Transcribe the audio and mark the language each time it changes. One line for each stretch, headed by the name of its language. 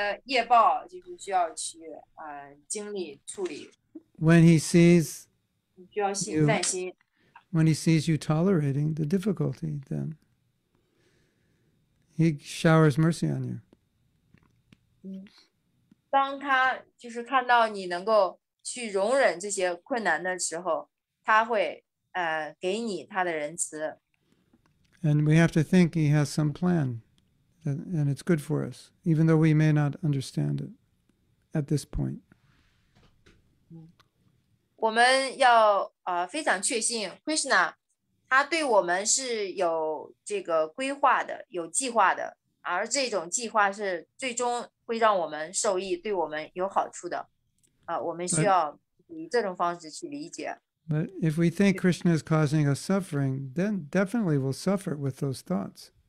Chinese: 你有一些业报就是需要去, 经历处理。
English: When he sees
Chinese: 你需要信,
English: you, when he sees you tolerating the difficulty, then he showers mercy on you.
Chinese: 当他就是看到你能够去容忍这些困难的时候，他会 给你他的仁慈。
English: And we have to think he has some plan, and it's good for us, even though we may not understand it at this point.
Chinese: 我们要 非常确信 Krishna 他对我们是有这个规划的，有计划的， 而这种计划是最终会让我们受益，对我们有好处的。我们需要以这种方式去理解。
English: But if we think Krishna is causing us suffering, then definitely we'll suffer with those thoughts.